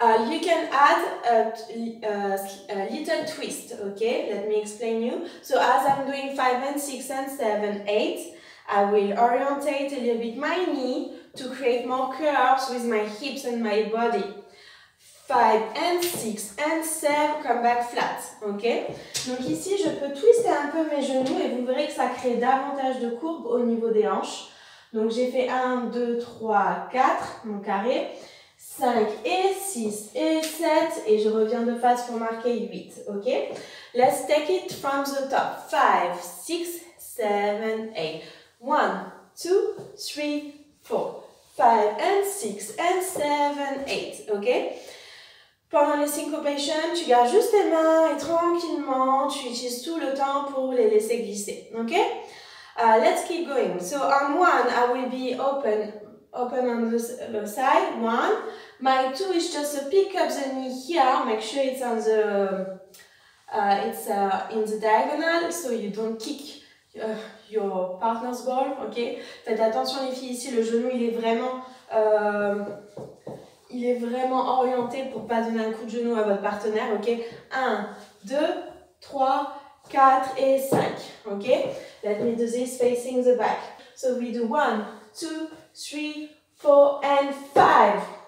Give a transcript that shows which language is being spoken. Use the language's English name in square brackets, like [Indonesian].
[English] You can add a little twist, okay? Let me explain you. So as I'm doing 5 and 6 and 7, 8, I will orientate a little bit my knee to create more curves with my hips and my body. 5 and 6 and 7, come back flat, okay? [French] Donc ici, je peux twister un peu mes genoux et vous verrez que ça crée davantage de courbes au niveau des hanches. Donc j'ai fait 1, 2, 3, 4, mon carré. 5 et 6 et 7 et je reviens de face pour marquer 8, ok? [English] Let's take it from the top. 5, 6, 7, 8. 1, 2, 3, 4. 5 and 6 and 7, 8, ok? [French] Pendant les syncopations, tu gardes juste tes mains et tranquillement, tu utilises tout le temps pour les laisser glisser. [English] Ok? Let's keep going. So on one, I will be open on the side. One. My two is just to pick up the knee here. Make sure it's on the in the diagonal, so you don't kick your partner's ball. Ok? [French] Faites attention les filles ici, le genou il est vraiment il est vraiment orienté pour pas donner un coup de genou à votre partenaire, ok? 1, 2, 3, 4 et 5, ok? [English] Let me do this facing the back. So we do 1, 2, 3, 4 and 5.